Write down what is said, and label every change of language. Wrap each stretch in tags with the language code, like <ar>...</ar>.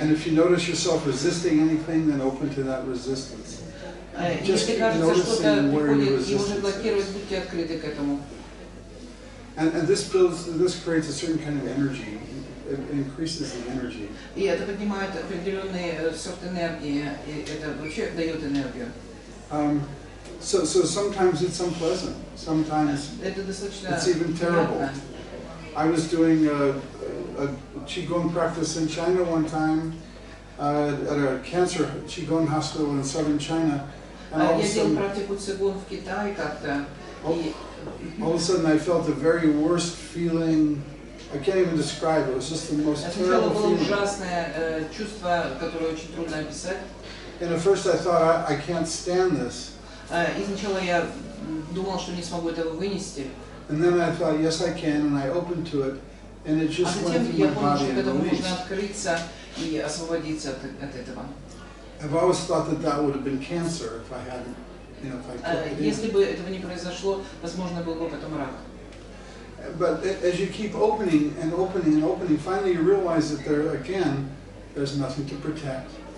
<en>And if you notice yourself resisting anything, then open to that resistance. Just noticing where your resistance is. And this builds, this creates a certain kind of energy. It increases the energy.</en> <ru>И это поднимает определенные сорт энергии, и это вообще дает энергию.</ru> <en>So sometimes it's unpleasant. Sometimes it's even terrible. I was doing a qigong practice in China one time at a cancer qigong hospital in southern China. And all of a sudden,</en> <ru>я делал практику цигун в Китае как-то.</ru> <en>All of a sudden, I felt the very worst feeling. I can't even describe it. It was just the most terrible feeling.</en> <ru>Ужасное чувство, которое очень трудно описать.</ru> <en>And at first, I thought I can't stand this.</en> <ru>Изначала я думал, что не смогу этого вынести.</ru> <en>And then I thought, yes, I can, and I opened to it, and it just went through my body and released.</en> <ru>А затем я понял, что этому можно открыться и освободиться от этого.</ru> <en>I've always thought that would have been cancer if I hadn't, you know, if I kept it in.</en> <ru>Если бы этого не произошло, возможно, был бы потом рак.</ru> <en>But as you keep opening and opening and opening, finally you realize that there again, there's nothing to protect,</en>